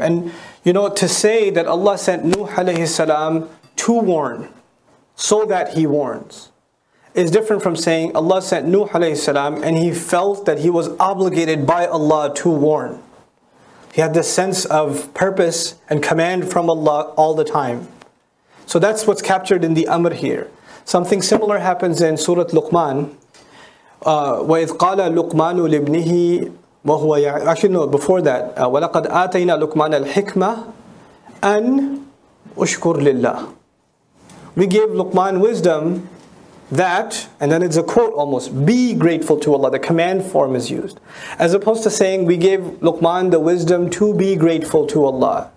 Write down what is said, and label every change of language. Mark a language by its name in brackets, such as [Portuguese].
[English] And you know, to say that Allah sent Nuh alayhi salam to warn, so that he warns, is different from saying Allah sent Nuh alayhi salam and he felt that he was obligated by Allah to warn. He had this sense of purpose and command from Allah all the time. So that's what's captured in the amr here. Something similar happens in Surah Luqman. [Arabic] وَإِذْ قَالَ لُقْمَانُ لِبْنِهِ وَهُوَ [English] Actually, no, before that. [Arabic] وَلَقَدْ آتَيْنَا لُقْمَانَ الْحِكْمَةِ أَنْ أُشْكُرْ لِلَّهِ [English] We gave Luqman wisdom that, and then it's a quote almost, be grateful to Allah, the command form is used. As opposed to saying, we gave Luqman the wisdom to be grateful to Allah.